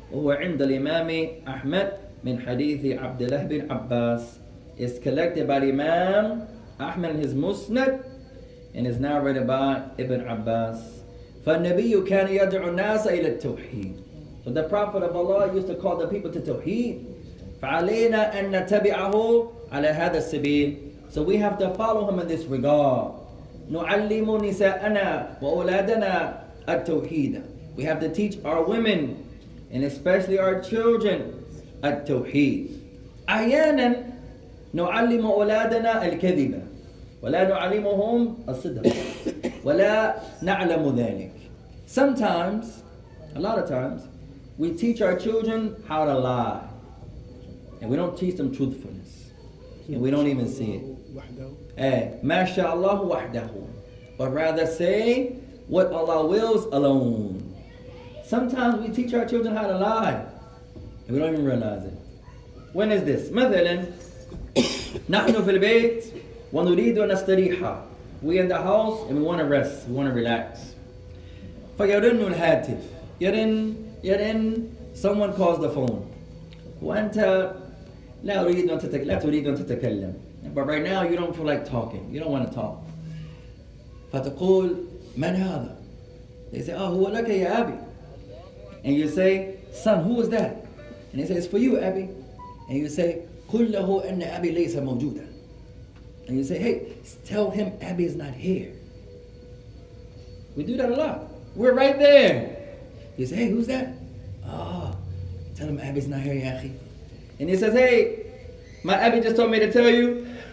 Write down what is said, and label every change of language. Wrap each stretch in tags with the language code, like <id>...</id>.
<ar>وهو عند الإمام أحمد من حديث عبد الله بن عباس.</ar> <en>It's collected by Imam Ahmad in his Musnad and is narrated by Ibn Abbas.</en> <ar>فالنبي كان يدعو الناس إلى التوحيد.</ar> <en>So the Prophet of Allah used to call the people to توحيد.</en> <ar>فعلينا أن نتبعه على هذا السبيل.</ar> <en>So we have to follow him in this regard.</en> <ar>نعلم نساءنا وأولادنا التوحيد.</ar> <en>We have to teach our women and especially our children التوحيد.</en> <ar>أحيانا نعلم أولادنا الكذبة ولا نعلمهم الصدق ولا نعلم ذلك.</ar> <en>Sometimes, a lot of times, we teach our children how to lie and we don't teach them truthfulness and we don't even see it.</en> <ar>ما شاء الله وحده.</ar> <en>But rather say, what Allah wills alone. Sometimes we teach our children how to lie, and we don't even realize it. When is this?</en> <ar>مثلاً نحن في البيت ونريد أن نستريح.</ar> <en>We in the house and we want to rest, we want to relax.</en> <ar>فيرن الهاتف. يرن.</ar> <en>Someone calls the phone.</en> <ar>وأنت لا تريد أن تتكلم.</ar> <en>But right now you don't feel like talking. You don't want to talk.</en> <ar>فتقول من هذا؟</ar> <en>They say, oh,</en> <ar>هو لك يا أبي.</ar> <en>And you say, son, who is that? And they say, it's for you, Abby. And you say,</en> <ar>قل له أن أبي ليس موجودا.</ar> <en>And you say, hey, tell him Abby is not here. We do that a lot. We're right there. You say, hey, who's that? Oh, tell him Abby's not here, Yachi. And he says, hey, my Abby just told me to tell you.</en>